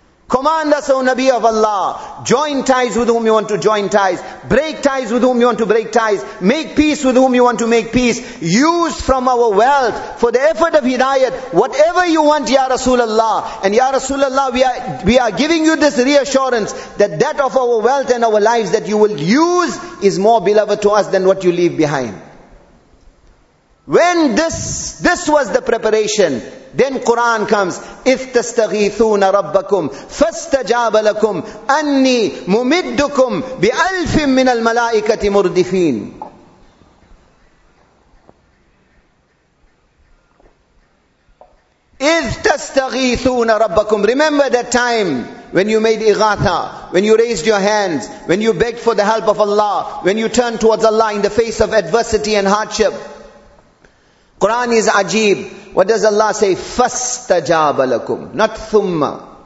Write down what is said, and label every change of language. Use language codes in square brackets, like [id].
[en] Command us, O Nabi of Allah, join ties with whom you want to join ties, break ties with whom you want to break ties, make peace with whom you want to make peace, use from our wealth for the effort of hidayat, whatever you want, Ya Rasulullah. And Ya Rasulullah, we are giving you this reassurance that of our wealth and our lives that you will use is more beloved to us than what you leave behind. When this was the preparation, then Quran comes, [ar] إِذْ تَسْتَغِيثُونَ رَبَّكُمْ فَاسْتَجَابَ لَكُمْ أَنِّي مُمِدُّكُمْ بِأَلْفٍ مِّنَ الْمَلَائِكَةِ مُرْدِفِينَ إِذْ تَسْتَغِيثُونَ رَبَّكُمْ. [en] Remember that time when you made ighatha, when you raised your hands, when you begged for the help of Allah, when you turned towards Allah in the face of adversity and hardship. Quran is ajeeb. What does Allah say? [ar] فَاسْتَجَابَ لَكُمْ. [en] Not ثُمَّ.